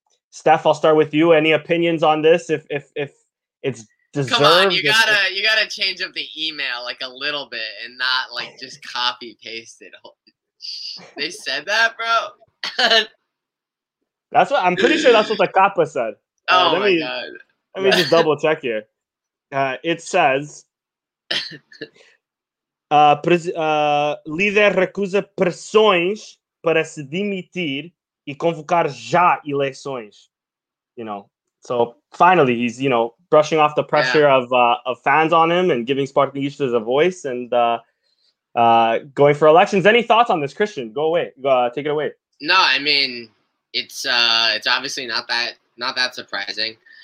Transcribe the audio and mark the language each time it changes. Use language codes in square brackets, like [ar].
[en] Steph, I'll start with you. Any opinions on this? If it's deserved. Come on, you gotta change up the email like a little bit and not like just copy paste it. They said that, bro. That's what I'm pretty sure. That's what the Kappa said. Oh my god! Let me just double check here. [pt] It says, "Líder recusa pressões para se demitir e convocar já eleições." [en] You know. So finally, he's brushing off the pressure of fans on him and giving Spartakistas a voice and going for elections. Any thoughts on this, Christian? Go away. Take it away. No, I mean, it's obviously not that surprising.